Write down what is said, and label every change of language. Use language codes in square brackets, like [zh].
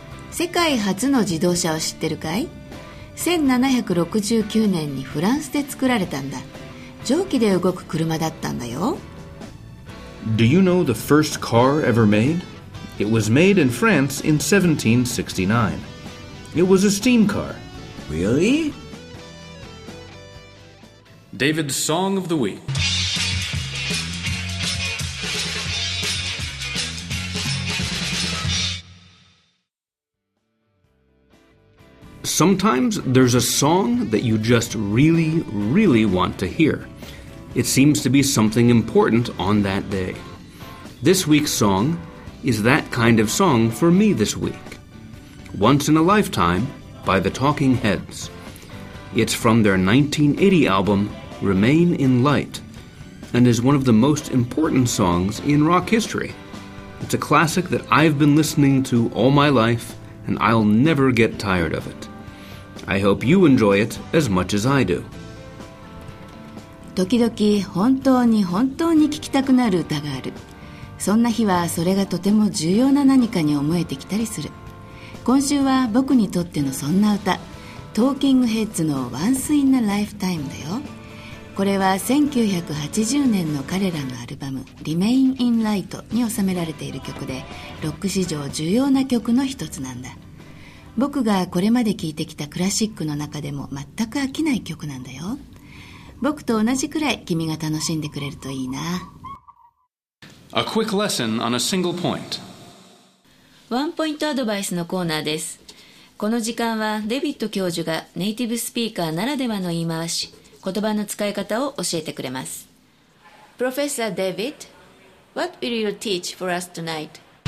[ja] 世界初の自動車を知ってるかい?1769年にフランスで作られたんだ。蒸気で動く車だったんだよ。 [en] Do you know the first car ever made? It was made in France in 1769. It was a steam car. Really? David's Song of the Week. Sometimes there's a song that you just really, really want to hear. It seems to be something important on that day. This week's song is that kind of song for me this week. Once in a Lifetime by the Talking Heads. It's from their 1980 album,Remain in Light, and is one of the most important songs in rock history. It's a classic that I've been listening to all my life, and I'll never get tired of it. I hope you enjoy it as much as I do. [ja] 時々本当に本当に聞きたくなる歌がある。そんな日はそれがとても重要な何かに思えてきたりする。今週は僕にとってのそんな歌、トーキングヘッズのワンスインアライフタイムだよ。これは1980年の彼らのアルバム Remain in Light に収められている曲で、ロック史上重要な曲の一つなんだ。僕がこれまで聴いてきたクラシックの中でも全く飽きない曲なんだよ。僕と同じくらい君が楽しんでくれるといいな。 [en] A quick lesson on a single point. [ja] ワンポイントアドバイスのコーナーです。この時間はデビッド教授がネイティブスピーカーならではの言い回し、言葉の使い方を教えてくれます。 [en] Professor David, what will you teach for us tonight?